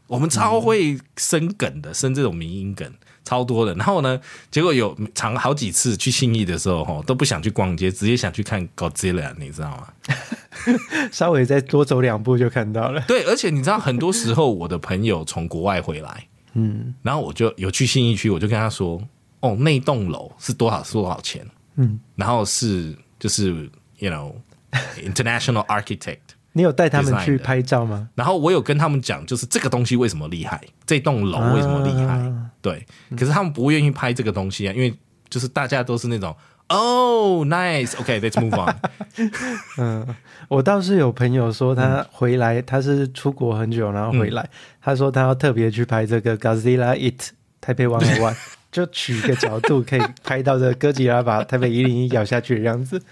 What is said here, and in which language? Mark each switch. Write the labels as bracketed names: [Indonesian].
[Chinese] 我们超会生梗的，生这种迷因梗超多的。然后呢，结果有常好几次去信义的时候，都不想去逛街，直接想去看 Godzilla， 你知道吗？稍微再多走两步就看到了。对，而且你知道很多时候我的朋友从国外回来，嗯，然后我就有去信义区，我就跟他说，哦，那栋楼是多少多少钱，嗯，然后是就是 [English] you know international architect， [Chinese] 你有带他们去拍照吗？然后我有跟他们讲，就是这个东西为什么厉害，这栋楼为什么厉害，啊，对，可是他们不愿意拍这个东西啊，因为就是大家都是那种 [English] Oh, nice. Okay, let's move on. [Chinese] 嗯，我倒是有朋友说他回来，他是出国很久，然后回来，他说他要特别去拍这个 Godzilla It Taipei 101，就取一个角度可以拍到这个哥吉拉把台北101咬下去的样子。